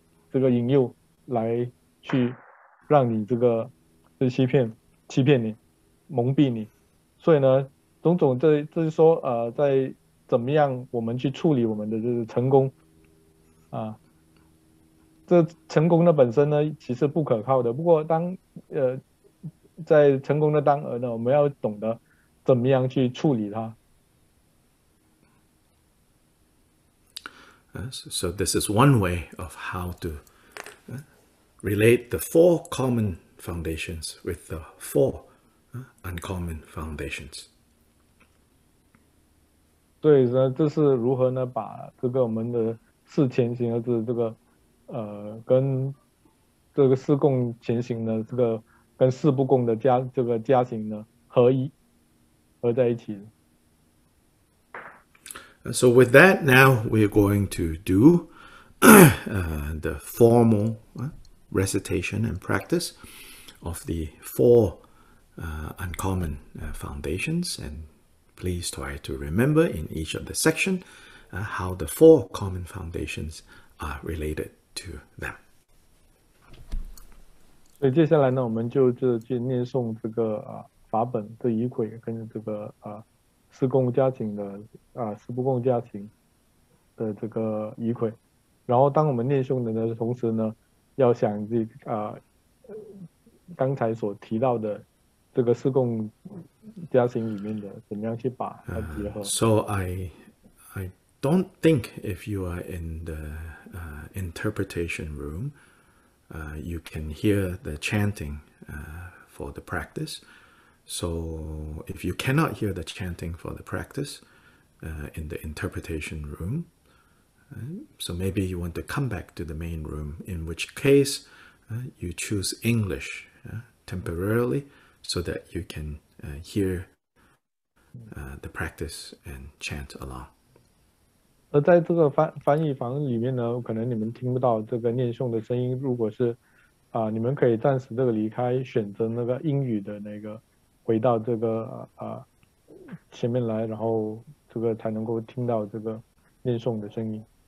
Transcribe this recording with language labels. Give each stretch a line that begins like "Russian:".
Chinese: 这个引诱来去让你这个是欺骗你，蒙蔽你，所以呢，种种这就是说在怎么样我们去处理我们的这个成功。这成功的本身呢其实不可靠的，不过当在成功的当儿呢，我们要懂得怎么样去处理它。
English: So this is one way of how to relate the four common foundations with the four uncommon foundations.
Chinese: 对，这是如何呢把这个我们的四前行，而是这个跟这个四共前行呢，这个跟四不共的加这个加行呢合在一起。
English: So with that, now we're going to do the formal recitation and practice of the four uncommon foundations. And please try to remember in each of the section how the four common foundations are related to them.
Chinese: 所以接下来呢，我们就是去念诵这个法本这仪轨跟这个四共加行的四不共加行的这个仪轨，然后当我们念诵的呢同时呢，要想这刚才所提到的这个四共加行里面的怎么样去把它结合。
English: So I don't think if you are in the interpretation room, you can hear the chanting for the practice. So if you cannot hear the chanting for the practice in the interpretation room, so maybe you want to come back to the main room, in which case you choose English temporarily so that you can hear the practice and chant along.
Chinese: 而在这个翻译房里面呢，可能你们听不到这个念诵的声音，如果是你们可以暂时这个离开，选择那个英语的那个回到这个前面来，然后这个才能够听到这个念诵的声音。